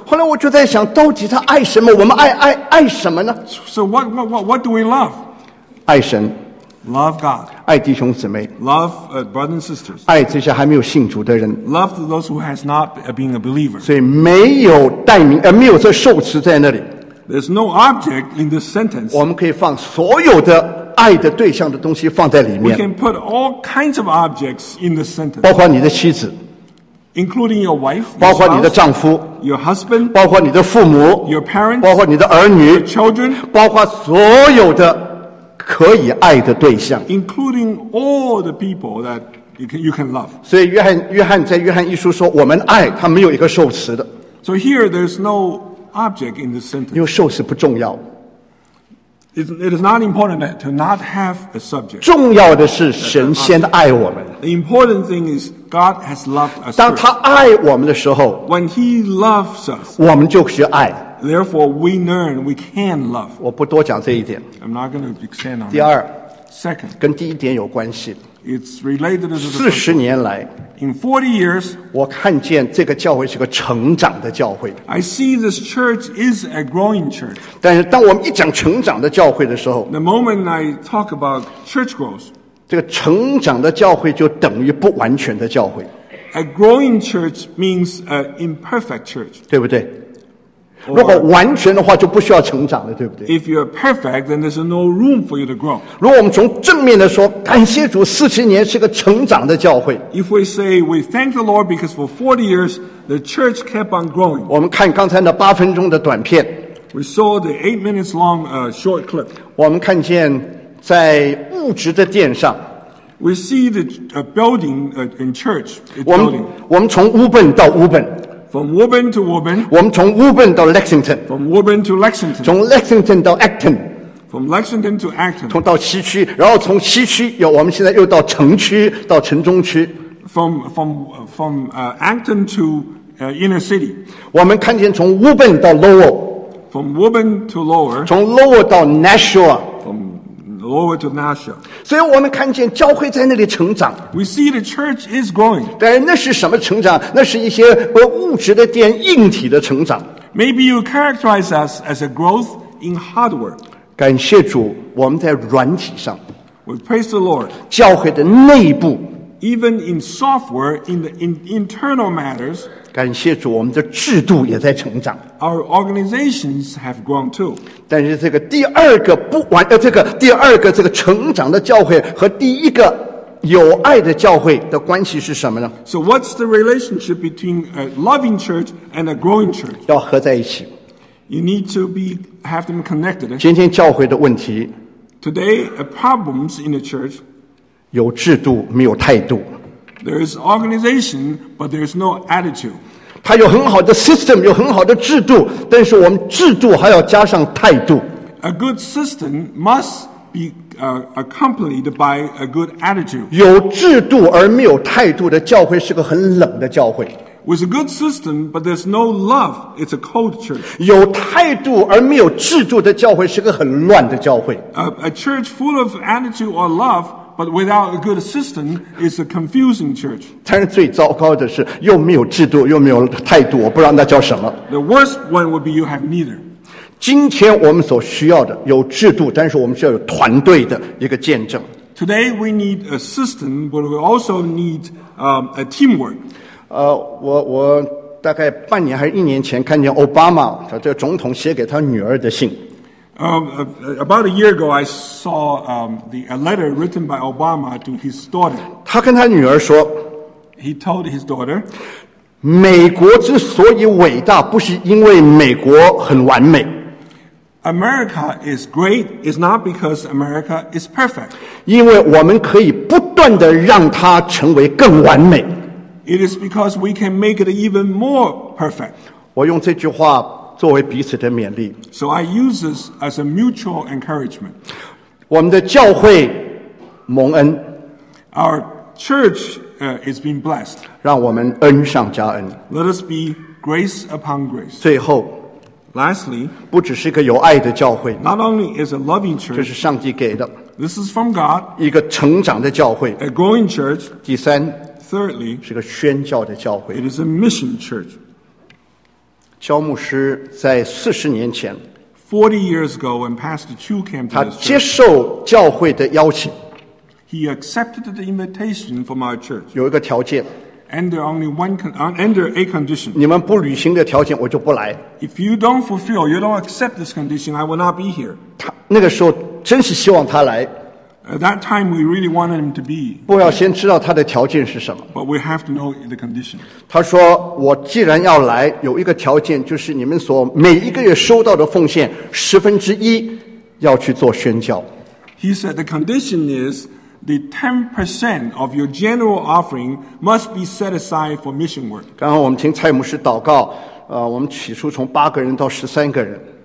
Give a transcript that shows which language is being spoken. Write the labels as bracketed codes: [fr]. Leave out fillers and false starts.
[zh] 后来我就在想, 到底他爱什么, 我们爱什么呢? [en] So what do we love? [zh] 爱神, [en] Love God. [zh] 爱弟兄姊妹。 [en] Love brothers and sisters. [zh] 爱这些还没有信主的人。 [en] Love those who has not been a believer. [zh] 所以没有代名，没有这受词在那里。 [en] There's no object in this sentence. [zh] 我们可以放所有的爱的对象的东西放在里面。 [en] We can put all kinds of objects in this sentence. [zh] 包括你的妻子。 [en] Including your wife, your [zh] 包括你的丈夫 [en] your husband, [zh] 包括你的父母 [en] your parents, [zh] 包括你的儿女 [en] your children, [zh] 包括所有的可以爱的对象 [en] including all the people that you can love. [zh] 所以约翰在约翰一书说我们爱他没有一个受词的 [en] So here there's no object in this sentence. [zh] 因为受词不重要 [en] It is not important to not have a subject. [zh] 重要的是神先爱我们 [en] The important thing is,God has loved us. [zh] 当他爱我们的时候 [en] When he loves us, [zh] 我们就学爱 [en] Therefore, we learn we can love. [zh] 我不多讲这一点 [en] I'm not going to expand on [zh] 第二 [en] Second, [zh] 跟第一点有关系 [en] It's related to the [zh] 40年来 [en] In 40 years, [zh] 我看见这个教会是个成长的教会 [en] I see this church is a growing church. [zh] 但是当我们一讲成长的教会的时候 [en] The moment I talk about church growth, [zh] 这个成长的教会就等于不完全的教会。 [en] A growing church means an imperfect church. [zh] 对不对？如果完全的话就不需要成长了，对不对 [en] ？If you're perfect, then there's no room for you to grow. [zh] 如果我们从正面的说，感谢主，四十年是个成长的教会。 [en] If we say we thank the Lord because for 40 years the church kept on growing. [zh] 我们看刚才那八分钟的短片。 [en] We saw the 8 minutes long short clip. [zh] 我们看见在物质的殿上 [en] We see the building in church building. [zh] 我们从乌本到乌本 [en] From Woburn to Woburn [zh] 我们从乌本到 Lexington [en] From Woburn to Lexington [zh] 从 Lexington 到 Acton [en] From Lexington to Acton [zh] 从到西区然后从西区又我们现在又到城区到城中区 [en] From Acton to inner city [zh] 我们看见从乌本到 Lowell [en] From Woburn to Lower [zh] 从 Lowell 到 Nashua [en] Over to Nashua. [zh] 所以我们看见教会在那里成长。 [en] We see the church is growing. [zh] 但那是什么成长？那是一些不物质的殿硬体的成长。 [en] Maybe you characterize us as a growth in hardware. [zh] 感谢主，我们在软体上。 [en] We praise the Lord. [zh] 教会的内部。 [en] Even in software, in internal matters. [zh] 感谢主，我们的制度也在成长。 [en] Our organizations have grown too. [zh] 但是这个第二个不完，这个第二个这个成长的教会和第一个有爱的教会的关系是什么呢 [en] ？So what's the relationship between a loving church and a growing church? [zh] 要合在一起。 [en] You need to have them connected. [zh] 今天教会的问题。 [en] Today, problems in the church. [zh] 有制度，没有态度。 [en] There is organization, but there is no attitude. [zh] 它有很好的 system, 有很好的制度，但是我们制度还要加上态度。 [en] A good system must be accompanied by a good attitude. [zh] 有制度而没有态度的教会是个很冷的教会。 [en] With a good system, but there's no love, it's a cold church. [zh] 有态度而没有制度的教会是个很乱的教会。 [en] A church full of attitude or love,But without a good system, it's a confusing church. [zh] 但是最糟糕的是又没有制度又没有态度我不知道那叫什么。 [en] The worst one would be you have neither. [zh] 今天我们所需要的有制度但是我们需要有团队的一个见证。 [en] Today we need a system, but we also need a teamwork. [zh] 我大概半年还是一年前看见奥巴马这个总统写给他女儿的信。 [en] About a year ago, I saw a letter written by Obama to his daughter. [zh] 他跟他女儿说 [en] He told his daughter, [zh] 美国之所以伟大不是因为美国很完美。 [en] America is great, it's not because America is perfect. [zh] 因为我们可以不断地让它成为更完美。 [en] It is because we can make it even more perfect. [zh] 我用这句话作为彼此的勉励。 [en] So I use this as a mutual encouragement. [zh] 我们的教会蒙恩。 [en] Our church is being blessed. [zh] 让我们恩上加恩。 [en] Let us be grace upon grace. [zh] 最后 [en] Lastly, [zh] 不只是一个有爱的教会。 [en] Not only is a loving church. [zh] 这是上帝给的。 [en] This is from God. [zh] 一个成长的教会。 [en] A growing church. [zh] 第三 [en] Thirdly, [zh] 是个宣教的教会。 [en] It is a mission church. [zh] 肖牧师在四十年前 [en] 40 years ago when Pastor Chu came to this church, [zh] 他接受教会的邀请 [en] He accepted the invitation from our church. [zh] 有一个条件。 [en] Under a condition. [zh] 你们不履行的条件，我就不来。 [en] If you don't fulfill, you don't accept this condition, I will not be here. [zh] 他那个时候真是希望他来。 [en] At that time, we really wanted him to be. [zh] 不要先知道他的条件是什么。 [en] But we have to know the condition. [zh] 他说：“我既然要来，有一个条件，就是你们所每一个月收到的奉献十分之一要去做宣教。” [en] He said the condition is. The 10% of your general offering must be set aside for mission work. [zh] 刚刚我们听蔡牧师祷告，我们起初从八个人到十三个人。